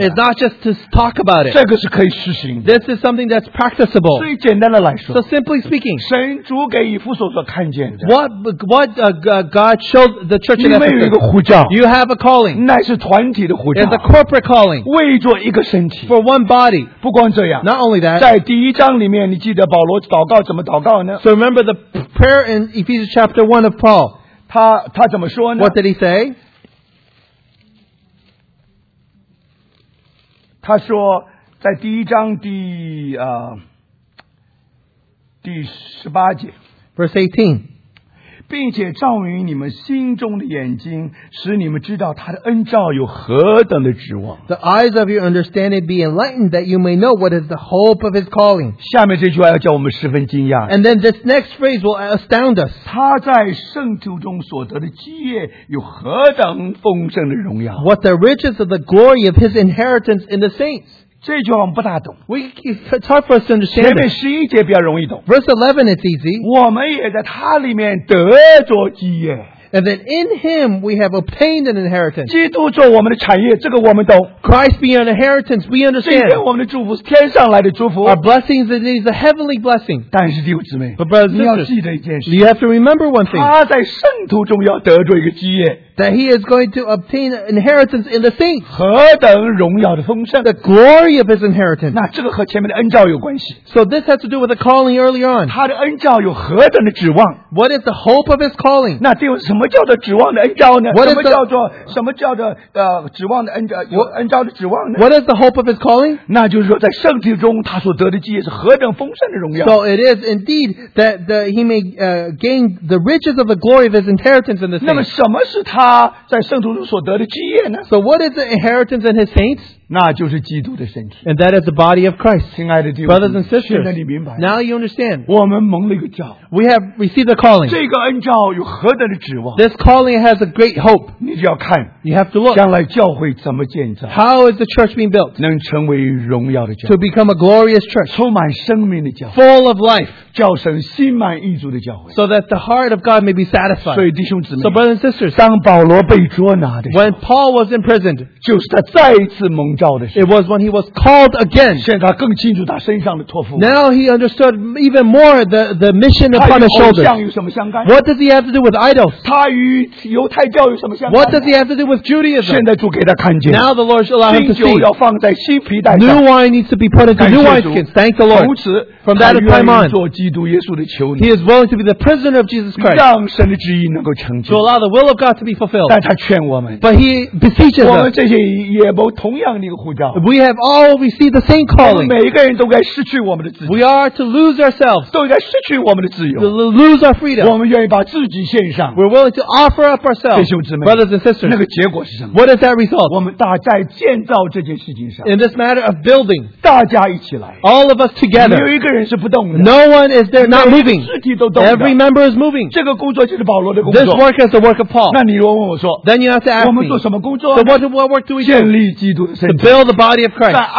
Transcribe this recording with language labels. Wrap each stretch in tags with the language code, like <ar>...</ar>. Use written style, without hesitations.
<en>It's not just to talk about it</en> <zh>这个是可以实行的</zh> <en>This is something that's practicable</en> <zh>最简单的来说</zh> <en>So simply speaking</en> <zh>神主给以弗所所看见的</zh> <en>God showed the church in Ephesus</en> <zh>你们有一个呼召</zh> <en>You have a calling</en> <zh>那是团体的呼召</zh> <en>It's a corporate calling</en> <zh>为做一个身体</zh> <en>For one body</en> <zh>不光这样</zh> <en>Not only that</en> <zh>在第一章里面你记得保罗祷告怎么祷告呢</zh> <en>So remember the prayer in Ephesians chapter 1 of Paul</en> <zh>他怎么说呢</zh> <en>What did he say?</en> <zh>他说在第一章第第十八节</zh> <en>Verse 18</en> <zh>并且照明你们心中的眼睛使你们知道他的恩召有何等的指望</zh> <en>The eyes of your understanding be enlightened that you may know what is the hope of his calling</en> <zh>下面这句话要叫我们十分惊讶</zh> <en>And then this next phrase will astound us</en> <zh>他在圣徒中所得的基业有何等丰盛的荣耀</zh> <en>What the riches of the glory of his inheritance in the saints</en> <zh>这句话我们不大懂。</zh> <en>It's hard for us to understand.</en> <zh>前面十一节比较容易懂。</zh> <en>Verse 11 is easy.</en> <zh>我们也在他里面得着基业。</zh> <en>And that in him we have obtained an inheritance.</en> <zh>基督做我们的产业，这个我们懂。</zh> <en>Christ being an inheritance, we understand.</en> <zh>今天我们的祝福是天上来的祝福。</zh> <en>Our blessings it is a heavenly blessing.</en> <zh>但是弟兄姊妹，</zh> <en>but brothers and sisters,</en> <zh>你要记得一件事。</zh> <en>You have to remember one thing.</en> <zh>他在圣徒中要得着一个基业。</zh> <en>That he is going to obtain an inheritance in the saints.</en> <zh>何等荣耀的丰盛。</zh> <en>The glory of his inheritance.</en> <zh>那这个和前面的恩召有关系。</zh> <en>So this has to do with the calling early on.</en> <zh>他的恩召有何等的指望。</zh> <en>What is the hope of his calling?</en> <zh>那这什么叫做指望的恩召呢？</zh> <en>What</en> <zh>什么叫做指望的恩召呢？</zh> <en>What is the hope of his calling?</en> <zh>那就是说在圣体中他所得的基业是何等丰盛的荣耀。</zh> <en>So it is indeed that the, he may gain the riches of the glory of his inheritance in the saints.</en> <zh>那么什么是他在圣徒中所得的基业呢？</zh> <en>So what is the inheritance in his saints?</en> <zh>那就是基督的身体。</zh> <en>And that is the body of Christ.</en> <zh>亲爱的弟兄，</zh> <en>brothers and sisters,</en> <zh>现在你明白。</zh> <en>Now you understand.</en> <zh>我们蒙了一个召。</zh> <en>We have received a calling.</en> <zh>这个恩召有何等的指望？</zh> <en>This calling has a great hope.</en> <zh>你就要看。</zh> <en>You have to look.</en> <zh>将来教会怎么建造？</zh> <en>How is the church being built?</en> <zh>能成为荣耀的教会。</zh> <en>To become a glorious church.</en> <zh>充满生命的教会。</zh> <en>Full of life.</en> <zh>叫神心满意足的教会。</zh> <en>So that the heart of God may be satisfied.</en> <zh>所以弟兄姊妹。</zh> <en>So brothers and sisters.</en> <zh>当保罗被捉拿的时候。</zh> <en>When Paul was imprisoned.</en> <zh>就是他再一次蒙。</zh> <en>It was when he was called again.</en> <zh>现在他更清楚他身上的托付。</zh> <en>Now he understood even more the mission upon his shoulders.</en> <zh>他与偶像有什么相干？</zh> <en>What does he have to do with idols?</en> <zh>他与犹太教有什么相干？</zh> <en>What does he have to do with Judaism?</en> <zh>现在主给他看见。</zh> <en>Now the Lord shall allow him to see.</en> <zh>新酒要放在新皮带上。</zh> <en>New wine needs to be put into new wineskins. Thank the Lord.</en> <zh>如此。</zh> <en>From that time on,</en> <zh>做基督耶稣的求你。</zh> <en>He is willing to be the prisoner of Jesus Christ.</en> <zh>让神的旨意能够成就。</zh> <en>To allow the will of God to be fulfilled.</en> <zh>但他劝我们。</zh> <en>But he beseeches us.</en> <zh>我们这些也蒙同样的一个呼召。</zh> <en>We have all received the same calling.</en> <zh>我们每一个人都该失去我们的自由。</zh> <en>We are to lose ourselves.</en> <zh>都应该失去我们的自由。</zh> <en>To lose our freedom.</en> <zh>我们愿意把自己献上。</zh> <en>We're willing to offer up ourselves.</en> <zh>弟兄姊妹。</zh> <en>Brothers and sisters.</en> <zh>那个结果是什么？</zh> <en>What is that result?</en> <zh>我们大在建造这件事情上。</zh> <en>In this matter of building.</en> <zh>大家一起来。</zh> <en>All of us together.</en> <zh>有一个人。</zh> <en>No one is there not moving. Every member is moving. This work is the work of Paul. Then you have to ask me. So what work do we do? To build the body of Christ.</en>